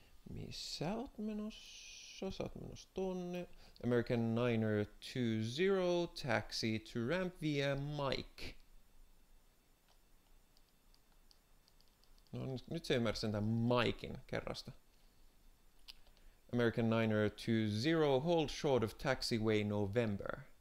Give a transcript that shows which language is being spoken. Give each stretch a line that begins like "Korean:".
Finnish: Missä oot menossa? Sä oot menossa tonne.
English: American 920, taxi to ramp via Mike.
Finnish: No nyt se ymmärsi sen tämän Mikein kerrasta.
English: American 920, hold short of taxiway November.